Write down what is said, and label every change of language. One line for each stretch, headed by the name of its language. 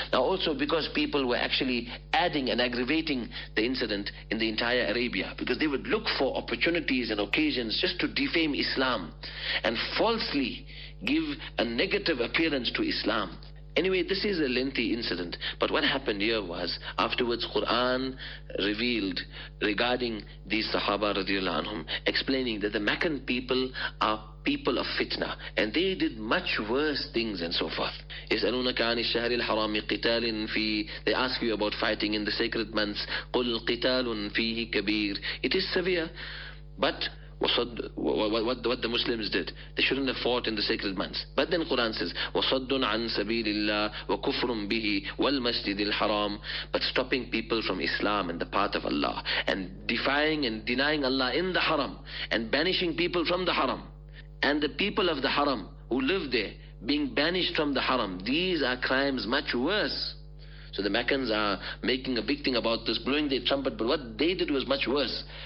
English: Now also, because people were actually adding and aggravating the incident in the entire Arabia, because they would look for opportunities and occasions just to defame Islam and falsely give a negative appearance to Islam. Anyway, this is a lengthy incident, but what happened here was, afterwards Quran revealed regarding these Sahaba radiallahu anhum, explaining that the Meccan people are people of fitna, and they did much worse things and so forth.
Arabic: يسألونك عن الشهر الحرام قتال فيه.
English: They ask you about fighting in the sacred months.
Arabic: قل قتال فيه كبير.
English: It is severe, but what the Muslims did, they shouldn't have fought in the sacred months. But then Quran says,
Arabic: وَصَدٌ عَن سَبِيلِ اللَّهِ وَكُفْرٌ بِهِ وَالْمَسْجِدِ الْحَرَامِ.
English: But stopping people from Islam and the path of Allah, and defying and denying Allah in the haram, and banishing people from the haram, and the people of the haram who live there being banished from the haram, these are crimes much worse. So the Meccans are making a big thing about this, blowing their trumpet, but what they did was much worse.